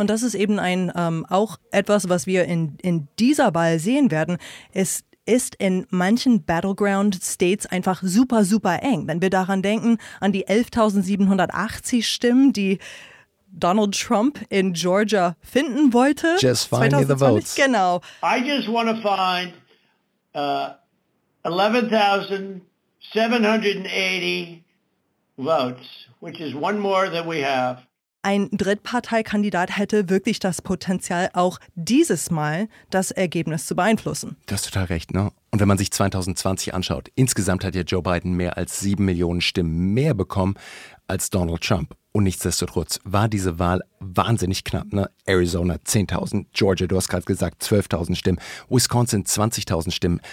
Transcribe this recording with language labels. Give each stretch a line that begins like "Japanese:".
German: Und das ist eben ein auch etwas, was wir in dieser Wahl sehen werden, ist in manchen Battleground-States einfach super, super eng. Wenn wir daran denken, an die 11.780 Stimmen, die Donald Trump in Georgia finden wollte.
English: Just find me the votes.
German: Genau.
English: I just want to find 11.780 votes, which is one more that we have.
German: Ein Drittparteikandidat hätte wirklich das Potenzial, auch dieses Mal das Ergebnis zu beeinflussen. Du hast total recht, ne? Und wenn man sich 2020 anschaut, insgesamt hat ja Joe Biden mehr als 7 Millionen Stimmen mehr bekommen als Donald Trump. Und nichtsdestotrotz war diese Wahl wahnsinnig knapp, ne? Arizona 10.000, Georgia, du hast gerade gesagt, 12.000 Stimmen, Wisconsin 20.000 Stimmen.